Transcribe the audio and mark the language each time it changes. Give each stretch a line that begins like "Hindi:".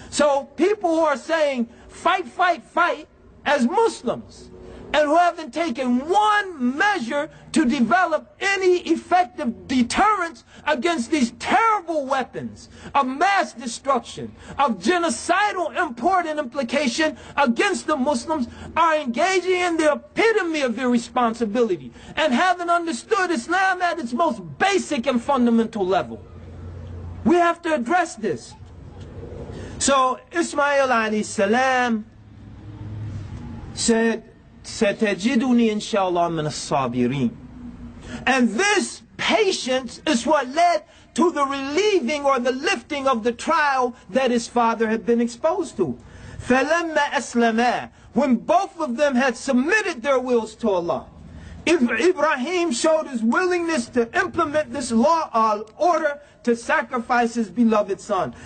English: So people who are saying, fight, fight, fight, as Muslims, and who haven't taken one measure to develop any effective deterrence against these terrible weapons of mass destruction, of genocidal import and implication against the Muslims, are engaging in the epitome of irresponsibility and haven't understood Islam at its most basic and fundamental level. We have to address this. So Ismail alayhi salam said,
Arabic: ستجدني إن شاء الله من الصابرين.
English: And this patience is what led to the relieving or the lifting of the trial that his father had been exposed to.
Arabic: فلما أسلما,
English: when both of them had submitted their wills to Allah, Ibrahim showed his willingness to implement this law, order to sacrifice his beloved son.